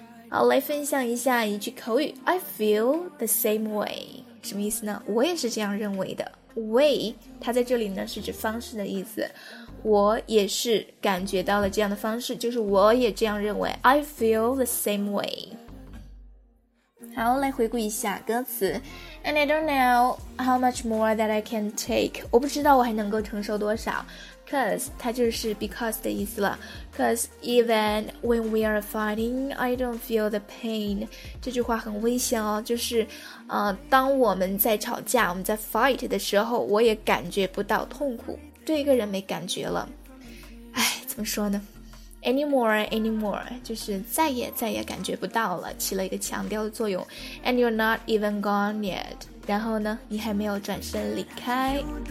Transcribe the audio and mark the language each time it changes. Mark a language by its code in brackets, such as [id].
[zh] 好，来分享一下一句口语， [en] I feel the same way， [zh] 什么意思呢？我也是这样认为的。way 它在这里呢是指方式的意思，我也是感觉到了这样的方式，就是我也这样认为， [en] I feel the same way。 [zh] 好，来回顾一下歌词， [en] And I don't know how much more that I can take， [zh] 我不知道我还能够承受多少。 Because 它就是 because 的意思了。 [en] Because even when we are fighting, I don't feel the pain. [zh] 这句话很危险哦，就是，当我们在吵架，我们在 fight 的时候，我也感觉不到痛苦，对一个人没感觉了。哎，怎么说呢？ Anymore， 就是再也感觉不到了，起了一个强调的作用。 [en] And you're not even gone yet. [zh] 然后呢，你还没有转身离开。